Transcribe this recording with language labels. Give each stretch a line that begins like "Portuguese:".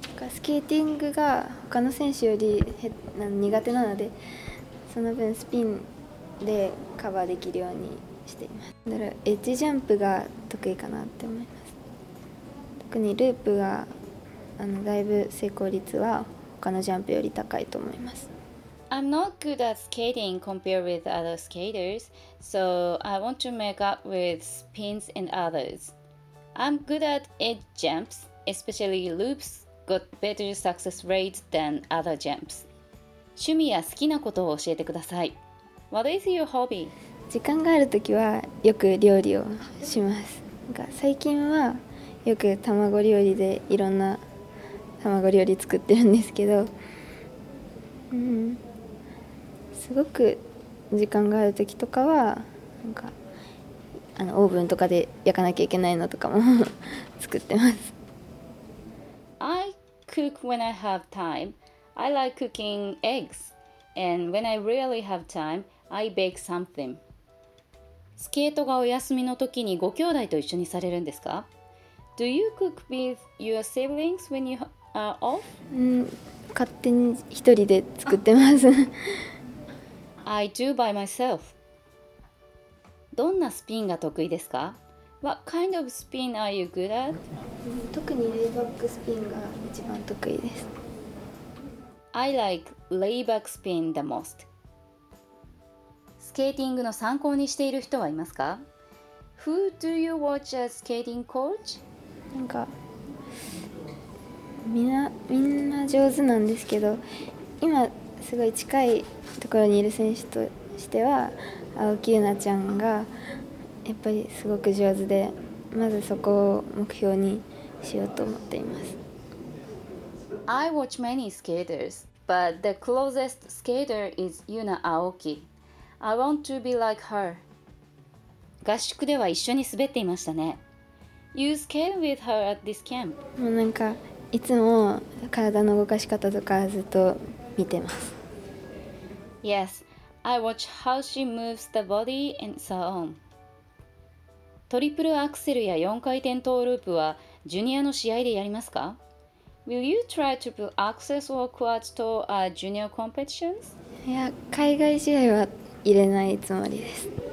Japanese: スケーティングが他の選手より苦手なので、その分スピンでカバーできるようにしています。だからエッジジャンプが得意かなって思います。特にループがだいぶ成功率は他のジャンプより高いと思います。
English: I'm not good at skating compared with other skaters, so I want to make up with spins and others. I'm good at edge jumps, especially loops got better success rate than other jumps.
Japanese: 趣味や好きなことを教えてください。
English: What is your hobby?
Japanese: 時間があるときはよく料理をします。最近はよく卵料理でいろんな卵料理作ってるんですけど、すごく時間がある時とかはオーブンとかで焼かなきゃいけないのとかも作ってます。
English: I cook when I have time. I like cooking eggs. And when I really have time, I bake something.
Japanese: スケートがお休みの時にご兄弟と一緒にされるんですか？
English: Do you cook with your siblings when you are off?
Japanese: 勝手に一人で作ってます。
English: I do by myself.
Japanese: どんなスピンが得意ですか？
English: What kind of spin are you good at?
Japanese: 特にレイバックスピンが一番得意です。
English: I like layback spin the most.
Japanese: スケーティングの参考にしている人はいますか？
English: Who do you watch as skating coach?
Japanese: みんな上手なんですけど、今すごい近いところにいる選手としては青木優奈ちゃんがやっぱりすごく上手で、まずそこを目標にしようと思っています。
English: I watch many skaters, but the closest skater is Yuna Aoki. I want to be like her.
Japanese: 合宿では一緒に滑っていましたね。
English: You skate with her at this camp.
Japanese: もうなんかいつも体の動かし方とかずっと見てます。
English: Yes, I watch how she moves the body and so on.
Japanese: トリプルアクセルや4回転トーループはジュニアの試合でやりますか？
English: Will you try triple axels or quad to junior competitions?
Japanese: いや、海外試合は入れないつもりです。